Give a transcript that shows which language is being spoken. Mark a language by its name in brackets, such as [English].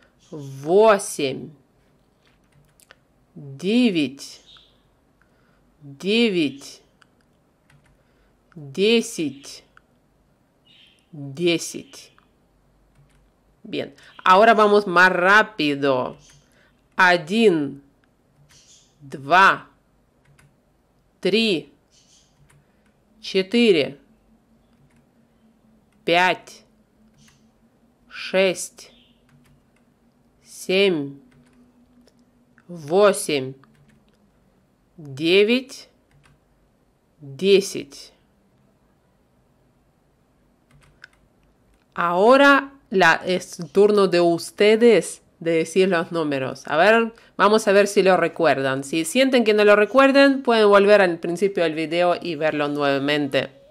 [Russian] Восемь. Девять. Девять. Десять. Десять. [Spanish] Bien, ahora vamos más rápido. [Russian] Один, два, три, четыре, пять, шесть, семь, восемь, девять, десять. [Spanish] Ahora es turno de ustedes de decir los números. A ver, vamos a ver si lo recuerdan. Si sienten que no lo recuerden, pueden volver al principio del video y verlo nuevamente.